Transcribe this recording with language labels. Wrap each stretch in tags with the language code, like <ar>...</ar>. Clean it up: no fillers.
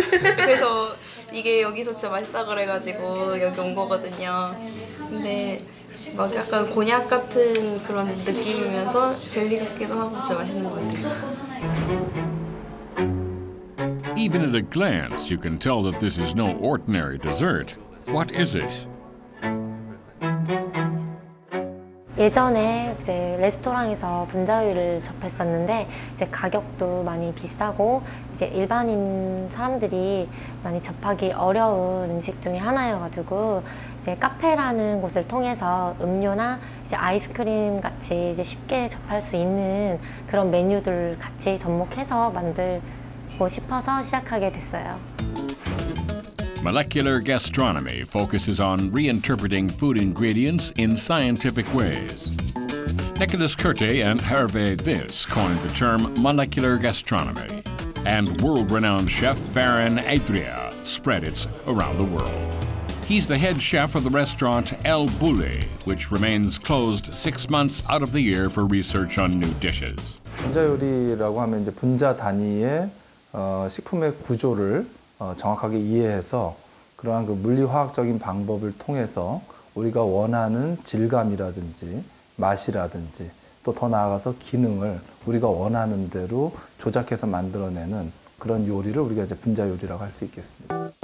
<ko>그래서 이게 여기서 진짜 맛있다 그래가지고 여기 온 거거든요. 근데 막 약간 곤약 같은 그런 느낌이면서 젤리 같기도 하고 진짜 맛있는 것 같아요.</ko> <en>Even at a glance, you can tell that this is no ordinary dessert. What is it?</en> <ko>예전에 이제 레스토랑에서 분자유를 접했었는데 이제 가격도 많이 비싸고 이제 일반인 사람들이 많이 접하기 어려운 음식 중에 하나여가지고 이제 카페라는 곳을 통해서 음료나 이제 아이스크림 같이 이제 쉽게 접할 수 있는 그런 메뉴들 같이 접목해서 만들. 싶어서 시작하게 됐어요.</ko> <en>Molecular gastronomy focuses on reinterpreting food ingredients in scientific ways. Nicolas Curte and Hervé This coined the term molecular gastronomy, and world-renowned chef Farin Adria spread it around the world. He's the head chef of the restaurant El Bulli, which remains closed 6 months out of the year for research on new dishes.</en> <ko>분자 요리라고 하면 이제 분자 단위의 식품의 구조를 정확하게 이해해서 그러한 그 물리화학적인 방법을 통해서 우리가 원하는 질감이라든지 맛이라든지 또 더 나아가서 기능을 우리가 원하는 대로 조작해서 만들어내는 그런 요리를 우리가 이제 분자 요리라고 할 수 있겠습니다.</ko>